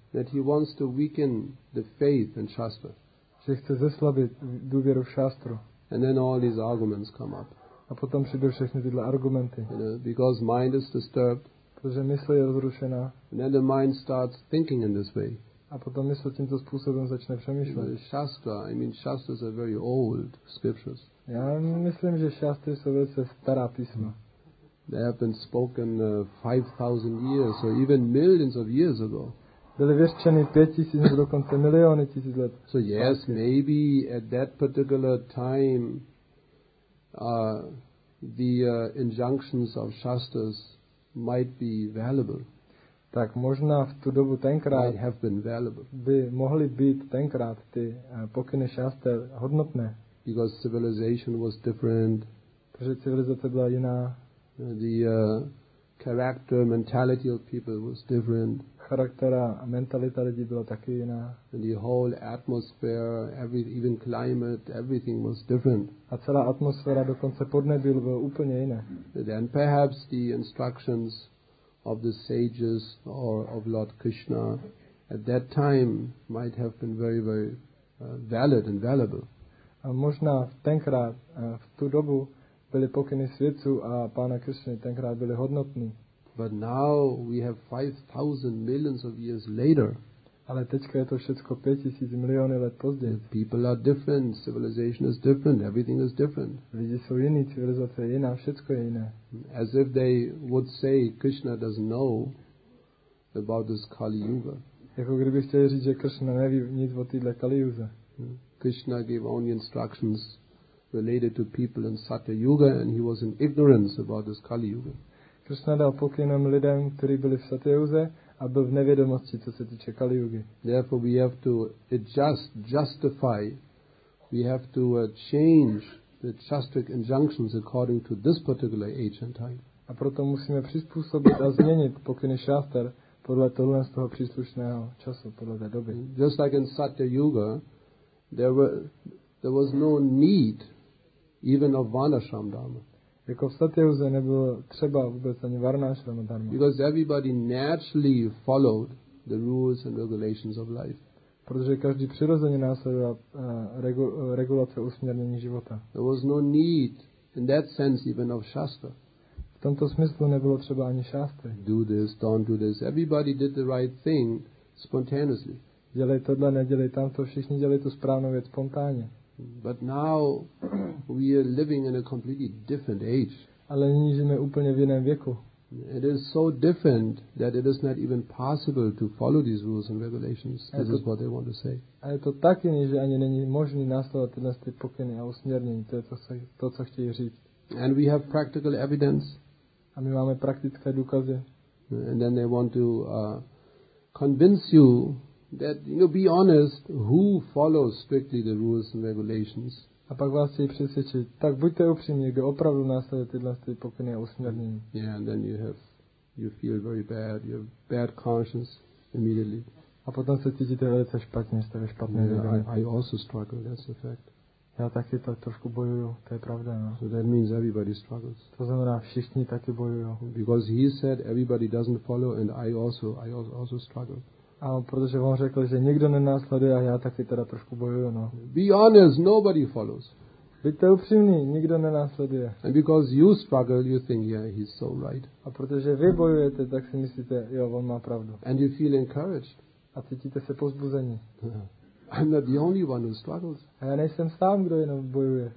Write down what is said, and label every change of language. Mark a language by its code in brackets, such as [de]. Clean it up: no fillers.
[en] That he wants to weaken the faith in Shastra. [cs] Že chce zeslabit důvěru v Shastru. [en] And then all these arguments come up. [cs] A potom přijdou všechny tyhle argumenty. [en] You know, because mind is disturbed. [cs] Protože mysl je rozrušená. [en] And then the mind starts thinking in this way. [cs] A potom mysl tímto způsobem začne přemýšlet. [en] Shastra, I mean, Shastras are very old scriptures. [cs] Já myslím, že šastry jsou velice stará písma. [en] They have been spoken 5,000 years or even millions of years ago. [cs] Byly vyřčeny 5,000 nebo dokonce miliony tisíc let. [en] So yes, maybe at that particular time the injunctions of shastras might be valuable. [cs] Tak možná v tu dobu tenkrát [en] have been valuable. [cs] By mohly být tenkrát ty pokyny šastr hodnotné. [en] Because civilization was different. [cs] Protože civilizace byla jiná. [en] The character, mentality of people was different. [cs] Charakter a mentalita lidí byla taky jiná. [en] And the whole atmosphere, even climate, everything was different. [cs] A celá atmosféra, dokonce podnebí, bylo úplně jiné. [en] Then perhaps the instructions of the sages or of Lord Krishna at that time might have been very, very valid and valuable. [cs] A možná tenkrát, v tu dobu, byly pokyny svědců a pána Krishny tenkrát byly hodnotný. [en] But now we have 5,000 millions of years later. [cs] Ale teďka je to všechno 5,000 miliony let později. [en] The people are different, civilization is different, everything is different. [cs] Lidi jsou jiný, civilizace je jiná, všechno je jiné. [en] As if they would say Krishna doesn't know about this Kali Yuga. [cs] Jako kdyby chtěli říct, že Krishna neví nic o této Kali Yuze. [en] Krishna gave only instructions related to people in Satya Yuga, and he was in ignorance about this Kali Yuga. [cs] Krishna dal pokynem lidem, kteří byli v Satya Yuze, a byl v nevědomosti, co se týče Kali Yugi. [en] Therefore, we have to justify. We have to change the chastric injunctions according to this particular age and time. [cs] A proto musíme přizpůsobit a změnit pokyny šastr podle tohle z toho příslušného času, podle té doby. [en] Just like in Satya Yuga, there was no need even of Varnashram Dharma. [cs] Jako v Satya Yuze nebylo třeba vůbec ani Varnashram Dharma. [en] Because everybody naturally followed the rules and regulations of life. [cs] Protože každý přirozeně následoval regulace usměrnění života. [en] There was no need in that sense even of Shastra. [cs] V tomto smyslu nebylo třeba ani Shastra. [en] Do this, don't do this. Everybody did the right thing spontaneously. [cs] Dělej tohle, nedělej tamto, všichni dělej tu správnou věc spontánně. [en] But now we are living in a completely different age. [cs] Ale nyní žijeme úplně v jiném věku. [en] It is so different that it is not even possible to follow these rules and regulations. This is what they want to say. [cs] A je to tak jiný, že ani není možný následovat tyhle ty pokyny a usměrnění. To je to, co chtějí říct. [en] And we have practical evidence. [cs] A my máme praktické důkazy. [en] And then they want to convince you that, you know, be honest, who follows strictly the rules and regulations. [cs] A pak vás chtějí přesvědčit, tak buďte upřímní, kdo opravdu následuje tyhle pokyny a usměrnění. [en] Yeah, and then you feel very bad, you have bad conscience immediately. [cs] A potom se cítíte velice špatně, jste ve špatné vědomí. [en] I also struggle, that's a fact. [cs] Já taky tak trošku bojuju, to je pravda, no. [en] So that means everybody struggles. [cs] To znamená, všichni taky bojují. [en] Because he said everybody doesn't follow, and I also struggle. [cs] A protože on řekl, že nikdo nenásleduje, a já taky teda trošku bojuju, no. [en] Be honest, nobody follows. [cs] Buďte upřímní, nikdo nenásleduje. [en] And because you struggle, you think, yeah, he's so right. [cs] A protože vy bojujete, tak si myslíte, jo, on má pravdu. [en] And you feel encouraged. [cs] A cítíte se povzbuzení. [en] I'm not the only one who struggles. [cs] A já nejsem sám, kdo jenom bojuje.